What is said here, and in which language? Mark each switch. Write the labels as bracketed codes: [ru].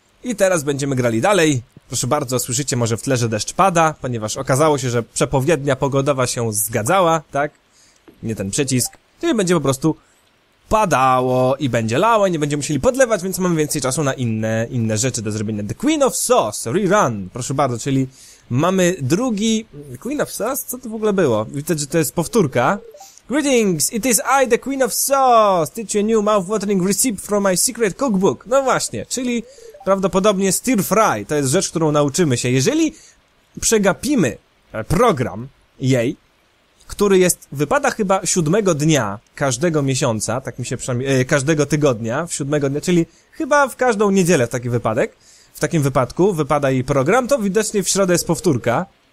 [pl] I teraz będziemy grali dalej. Proszę bardzo, słyszycie może w tle, że deszcz pada, ponieważ okazało się, że przepowiednia pogodowa się zgadzała, tak? Nie ten przycisk. Czyli będzie po prostu padało i będzie lało i nie będziemy musieli podlewać, więc mamy więcej czasu na inne rzeczy do zrobienia. The Queen of Sauce, rerun, proszę bardzo, czyli mamy drugi... Queen of Sauce? Co to w ogóle było? Widać, że to jest powtórka. [en] Greetings, it is I, the Queen of Sauce, teach you a new mouth-watering recipe from my secret cookbook. [pl] No właśnie, czyli prawdopodobnie stir fry, to jest rzecz, którą nauczymy się. Jeżeli przegapimy program jej, który jest, wypada chyba 7 dnia każdego miesiąca, tak mi się przynajmniej, każdego tygodnia, w 7 dnia, czyli chyba w każdą niedzielę w takim wypadku wypada jej program, to widocznie w środę jest powtórka.